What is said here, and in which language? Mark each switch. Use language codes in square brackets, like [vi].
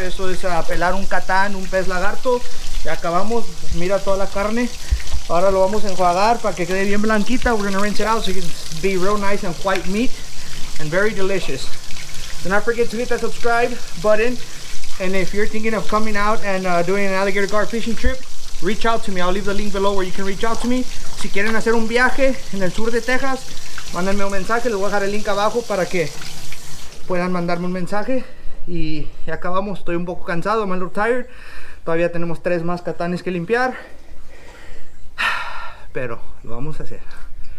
[es] Eso es pelar un catán, un pez lagarto. Ya acabamos. Mira toda la carne. Ahora lo vamos a enjuagar para que quede bien blanquita. [en] We're going to rinse it out so it can be real nice and white meat and very delicious. Do not forget to hit that subscribe button. And if you're thinking of coming out and doing an alligator gar fishing trip, reach out to me. I'll leave the link below where you can reach out to me. [es] Si quieren hacer un viaje en el sur de Texas, mándenme un mensaje. Les voy a dejar el link abajo para que puedan mandarme un mensaje. Y acabamos. Estoy un poco cansado, [en] I'm a little tired. [es] Todavía tenemos 3 más catanes que limpiar, pero lo vamos a hacer.